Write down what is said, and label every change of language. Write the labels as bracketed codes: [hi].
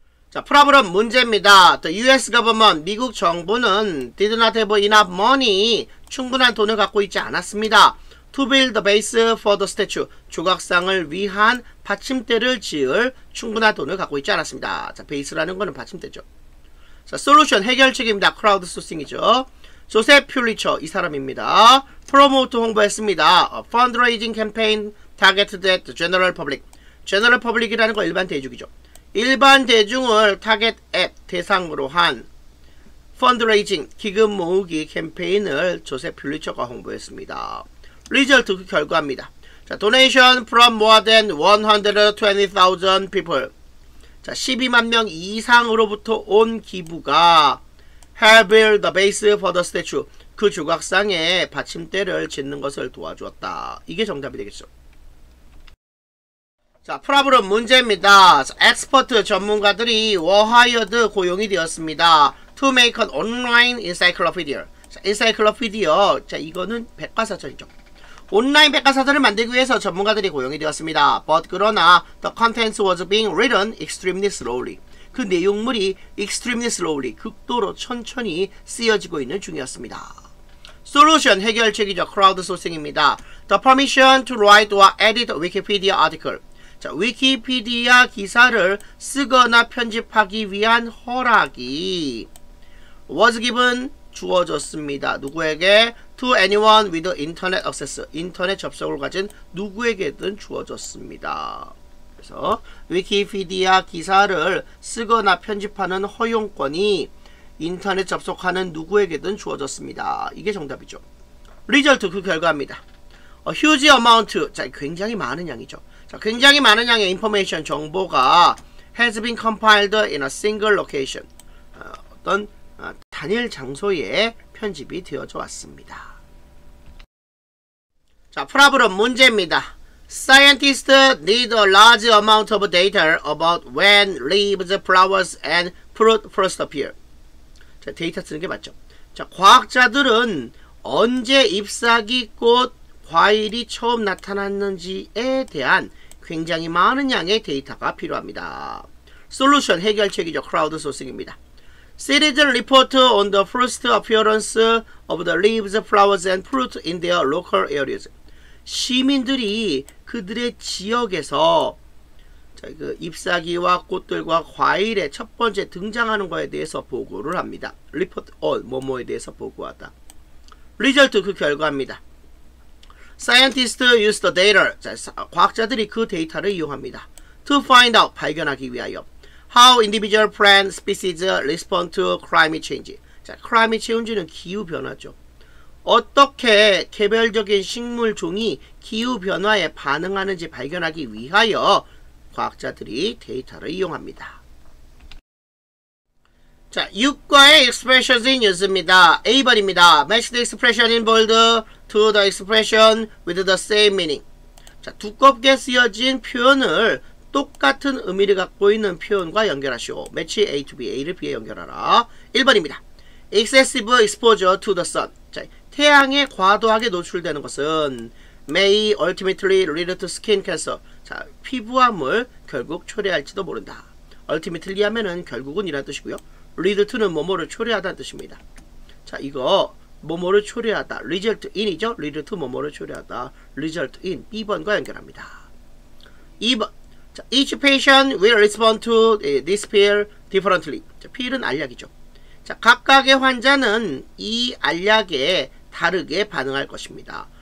[en] 자, problem 문제입니다. The US government, [ko] 미국 정부는 [en] did not have enough money, [ko] 충분한 돈을 갖고 있지 않았습니다. [en] To build the base for the statue, [ko] 조각상을 위한 받침대를 지을 충분한 돈을 갖고 있지 않았습니다. 자, 베이스라는 거는 받침대죠. 자, solution, 해결책입니다. 크라우드소싱이죠. 조셉 퓰리처, 이 사람입니다. Promote 홍보했습니다. [en] A fundraising campaign targeted at the general public. [ko] General public이라는 건 일반 대중이죠. 일반 대중을 target at 대상으로 한 fundraising, 기금 모으기 캠페인을 조셉 퓰리처가 홍보했습니다. [en] Result, [ko] 그 결과입니다. [en] 자, donation from more than 120,000 people. [ko] 자, 12만 명 이상으로부터 온 기부가 [en] Have built the base for the statue. [ko] 그 조각상에 받침대를 짓는 것을 도와주었다. 이게 정답이 되겠죠. 자, 프라블럼 문제입니다. 자, 엑스퍼트 전문가들이 워하이어드 고용이 되었습니다. [en] To make an online encyclopedia. 자, encyclopedia. [ko] 자, 이거는 백과사전이죠. 온라인 백과사전을 만들기 위해서 전문가들이 고용이 되었습니다. [en] But [ko] 그러나 [en] the contents was being written extremely slowly. [ko] 그 내용물이 extremely slowly, 극도로 천천히 쓰여지고 있는 중이었습니다. [en] Solution, [ko] 해결책이죠. [en] Crowdsourcing입니다. The permission to write or edit a Wikipedia article. [ko] 자, 위키피디아 기사를 쓰거나 편집하기 위한 허락이 was given, 주어졌습니다. 누구에게? [en] To anyone with internet access. [ko] 인터넷 접속을 가진 누구에게든 주어졌습니다. 그래서 위키피디아 기사를 쓰거나 편집하는 허용권이 인터넷 접속하는 누구에게든 주어졌습니다. 이게 정답이죠. Result, 그 결과입니다. [en] A huge amount, [ko] 자, 굉장히 많은 양이죠. 자, 굉장히 많은 양의 information, 정보가 [en] has been compiled in a single location. [ko] 어떤 단일 장소에 편집이 되어져 왔습니다. 자, 프라블럼 문제입니다. [en] Scientists need a large amount of data about when leaves, flowers, and fruit first appear. [ko] 자, 데이터 쓰는 게 맞죠. 자, 과학자들은 언제 잎사귀 꽃, 과일이 처음 나타났는지에 대한 굉장히 많은 양의 데이터가 필요합니다. Solution, 해결책이죠. 크라우드소싱입니다. [en] Cities report on the first appearance of the leaves, flowers, and fruit in their local areas. [ko] 시민들이 그들의 지역에서 그 잎사귀와 꽃들과 과일의 첫 번째 등장하는 것에 대해서 보고를 합니다. Report on 뭐뭐에 대해서 보고하다. Result, 그 결과입니다. [en] Scientists use the data. [ko] 자, 과학자들이 그 데이터를 이용합니다. [en] To find out, [ko] 발견하기 위하여. [en] How individual plant species respond to climate change. [ko] 자, climate change는 기후 변화죠. 어떻게 개별적인 식물 종이 기후 변화에 반응하는지 발견하기 위하여 과학자들이 데이터를 이용합니다. 자, 6과의 expressions in use입니다. A번입니다. [en] Match the expression in bold to the expression with the same meaning. [ko] 자, 두껍게 쓰여진 표현을 똑같은 의미를 갖고 있는 표현과 연결하시오. [en] Match A to B, [ko] A를 B에 연결하라. 1번입니다. [en] Excessive exposure to the sun. [ko] 자, 태양에 과도하게 노출되는 것은 [en] may ultimately lead to skin cancer. [ko] 자, 피부암을 결국 초래할지도 모른다. ultimately 하면은 결국은이라는 뜻이고요. lead to는 뭐뭐를 초래하다는 뜻입니다. 자, 이거 뭐뭐를 초래하다. result in이죠. lead to 뭐뭐를 초래하다. result in. B번과 연결합니다. 2번. [en] 자, each patient will respond to this pill differently. [ko] 자, pill은 알약이죠. 자, 각각의 환자는 이 알약에 다르게 반응할 것입니다.